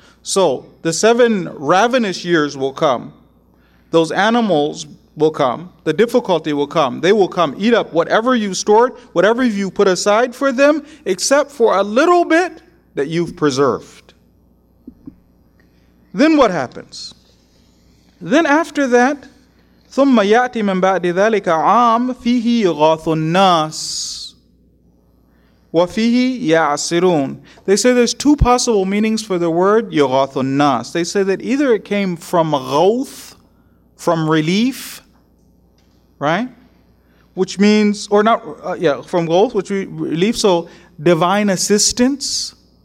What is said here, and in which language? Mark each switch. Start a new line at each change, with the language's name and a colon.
English: So the 7 ravenous years will come. Those animals will come. The difficulty will come. They will come, eat up whatever you stored, whatever you put aside for them, except for a little bit that you've preserved. Then what happens? Then after that,
Arabic: ثُمَّ يَأْتِ مِنْ بَعْدِ ذَلِكَ عَامٌ فِيهِ يُغَاثُ النَّاسِ وَفِيهِ يَعْصِرُونَ.
English: They say there's two possible meanings for the word
Arabic: يُغَاثُ النَّاسِ.
English: They say that either it came from غَوْث, from relief, right? Which means, or not, from غَوْث, which relief, so divine assistance.